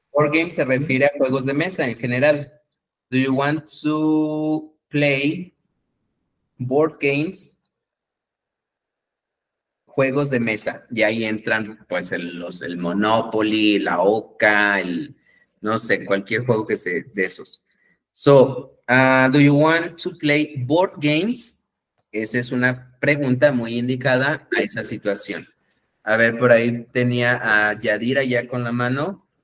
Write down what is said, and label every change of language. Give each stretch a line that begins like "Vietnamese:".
Spanish: Board games se refiere a juegos de mesa en general.
English: Do you want to play board games?
Spanish: Juegos de mesa. Y ahí entran, pues, el Monopoly, la Oca, el no sé, cualquier juego que sea de esos.
English: So, do you want to play board games?
Spanish: Esa es una pregunta muy indicada a esa situación. A ver, por ahí tenía a Yadira ya con la mano.